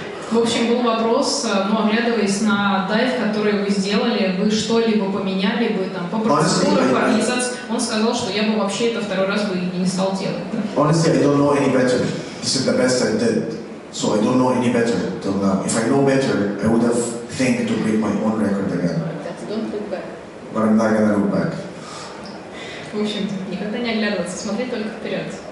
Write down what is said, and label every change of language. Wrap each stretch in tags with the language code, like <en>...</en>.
<ru>В общем, был вопрос, ну, оглядываясь на дайв, который вы сделали, вы что-либо поменяли бы там по процедуре, по организации, он сказал, что я бы вообще это второй раз бы не стал делать.</ru> <en>Honestly, I don't know any better. This is the best I did. So I don't know any better till now. If I know better, I would have think to break my own record again. Don't look back. But I'm not gonna look back.</en> <ru>В общем, никогда не оглядываться, смотри только вперед.</ru>